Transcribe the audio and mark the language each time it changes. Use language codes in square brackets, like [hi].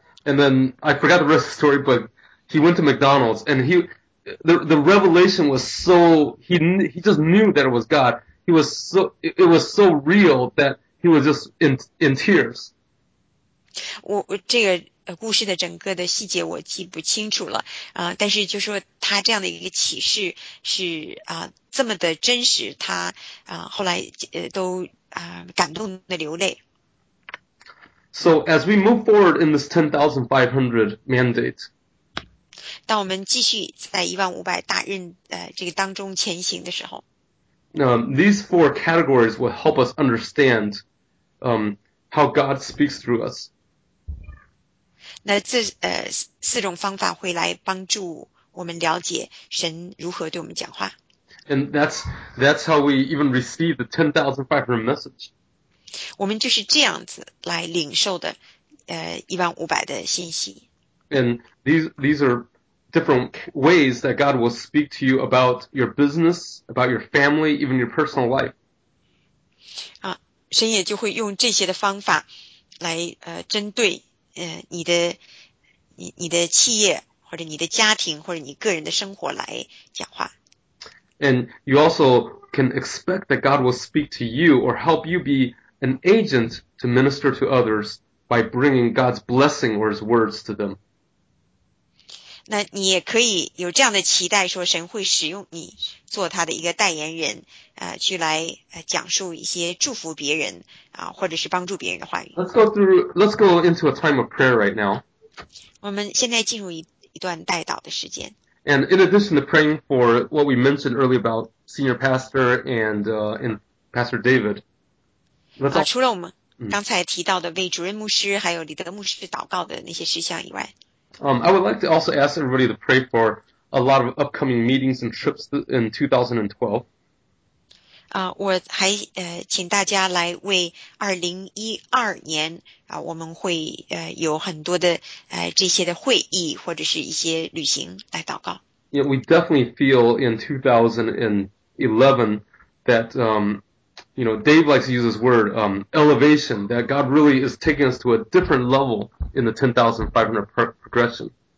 [en] And then I forgot the rest of the story, but he went to McDonald's and the revelation was so, he just knew that it was God. It was so real that he was just in tears. [zh] 我这个故事的整个的细节我记不清楚了，但是就说他这样的一个启示是这么的真实，他后来都感动的流泪。 [en] So as we move forward in this 10,500 mandate, [zh] 当我们继续在1500大任这个当中前行的时候， [en] these four categories will help us understand how God speaks through us. [zh] 那这四种方法会来帮助我们了解神如何对我们讲话。 [en] And that's how we even receive the 10,500 message. [zh] 我们就是这样子来领受的1500的信息。 [en] And these are different ways that God will speak to you about your business, about your family, even your personal life. [zh] 神也就会用这些的方法来针对你的企业或者你的家庭或者你个人的生活来讲话。 [en] And you also can expect that God will speak to you or help you be an agent to minister to others by bringing God's blessing or his words to them. [zh] 那你也可以有这样的期待，说神会使用你做他的一个代言人，去来讲述一些祝福别人啊，或者是帮助别人的话语。 [en] Let's go into a time of prayer right now. [zh] 我们现在进入一段代祷的时间。 [en] And in addition to praying for what we mentioned earlier about senior pastor and Pastor David, [zh] 除了我们刚才提到的为主任牧师还有李德牧师祷告的那些事项以外。 [en] I would like to also ask everybody to pray for a lot of upcoming meetings and trips in 2012. [zh] 我还请大家来为2012年我们会有很多的这些的会议或者是一些旅行来祷告。 [en] Yeah, we definitely feel in 2011 that, you know, Dave likes to use this word, elevation, that God really is taking us to a different level in the 10,500 progression.